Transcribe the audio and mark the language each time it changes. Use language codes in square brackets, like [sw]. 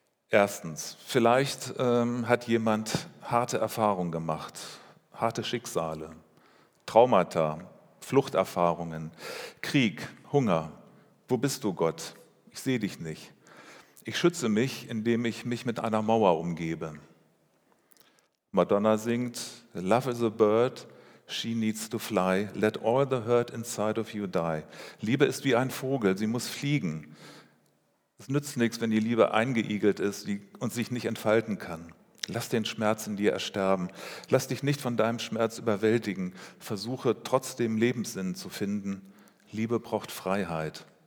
[de] Erstens, vielleicht hat jemand harte Erfahrungen gemacht, harte Schicksale, Traumata, Fluchterfahrungen, Krieg, Hunger. Wo bist du, Gott? Ich sehe dich nicht. Ich schütze mich, indem ich mich mit einer Mauer umgebe. Madonna singt, [en] Love is a bird, she needs to fly. Let all the hurt inside of you die. [de] Liebe ist wie ein Vogel, sie muss fliegen. Es nützt nichts, wenn die Liebe eingeigelt ist und sich nicht entfalten kann. Lass den Schmerz in dir ersterben. Lass dich nicht von deinem Schmerz überwältigen. Versuche trotzdem Lebenssinn zu finden. Liebe braucht Freiheit.